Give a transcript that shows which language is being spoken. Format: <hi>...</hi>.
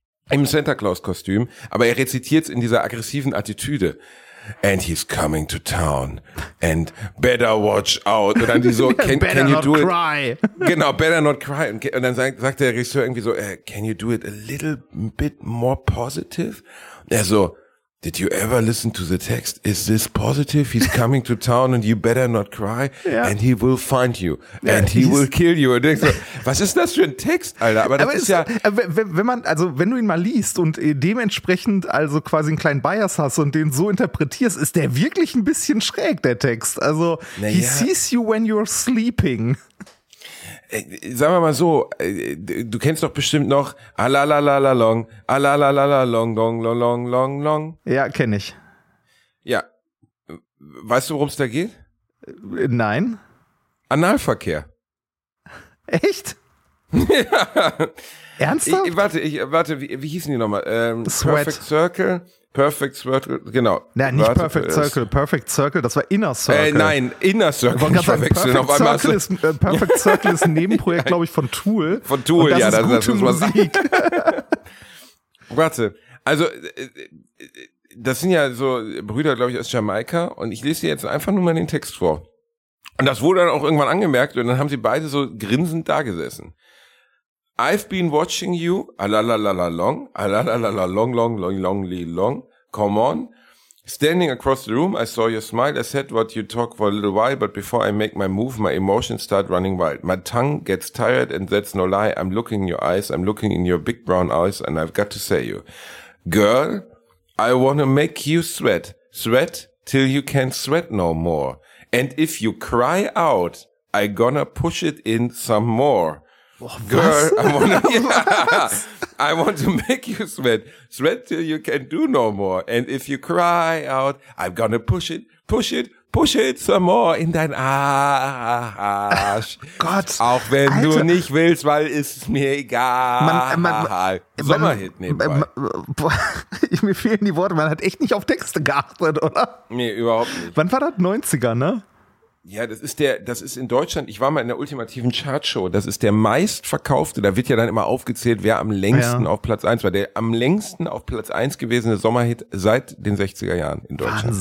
<de>Im Santa Claus-Kostüm. Aber er rezitiert es in dieser aggressiven Attitüde.</de> <en>And he's coming to town. And better watch out.</en> <de>Und dann die so,</de> <en>can you do it? Better not cry. Genau, better not cry.</en> <de>Und dann sagt der Regisseur irgendwie so,</de> <en>can you do it a little bit more positive?</en> <de>Und er so,</de> <en>did you ever listen to the text? Is this positive? He's coming to town and you better not cry. Yeah. And he will find you. And he will kill you.</en> <de>Und denkst so, was ist das für ein Text, Alter? Wenn du ihn mal liest und dementsprechend also quasi einen kleinen Bias hast und den so interpretierst, ist der wirklich ein bisschen schräg, der Text. Also, naja.</de> <en>He sees you when you're sleeping.</en> <de>Sagen wir mal so, du kennst doch bestimmt noch Alalalalalong, Alalalalalong, Long, Long, Long, Long, Long. Ja, kenn ich. Ja. Weißt du, worum es da geht? Nein. Analverkehr. Echt? Ja. Ernsthaft? Wie hießen die nochmal? Perfect Circle? Perfect Circle, genau. Nein, nicht Vertical Perfect Circle. Perfect Circle, das war Inner Circle. Nein, Inner Circle. Ich verwechsel noch einmal. Perfect Circle ist ein Nebenprojekt, glaube ich, von Tool. Von Tool, und das ja, ist das ist was. Warte, also, das sind ja so Brüder, glaube ich, aus Jamaika. Und ich lese dir jetzt einfach nur mal den Text vor. Und das wurde dann auch irgendwann angemerkt. Und dann haben sie beide so grinsend da gesessen.</de> <en>I've been watching you, alalalalalong, alalalalong, long, long, long, long, long, come on. Standing across the room, I saw your smile, I said what you talk for a little while, but before I make my move, my emotions start running wild. My tongue gets tired and that's no lie, I'm looking in your eyes, I'm looking in your big brown eyes, and I've got to say you. Girl, I wanna make you sweat, sweat till you can't sweat no more. And if you cry out, I gonna push it in some more. Boah, girl, I want to make you sweat, sweat till you can't do no more. And if you cry out, I'm gonna push it, push it, push it some more</en> <de>in dein Arsch. Gott. Auch wenn Alter. Du nicht willst, weil ist es mir egal. Sommerhit nebenbei. Mir fehlen die Worte, man hat echt nicht auf Texte geachtet, oder? Nee, überhaupt nicht. Wann war das? 90er, ne? Ja, das ist in Deutschland, ich war mal in der ultimativen Chartshow, das ist der meistverkaufte, da wird ja dann immer aufgezählt, wer am längsten auf Platz 1 war, der am längsten auf Platz 1 gewesene Sommerhit seit den 60er Jahren in Deutschland.</de>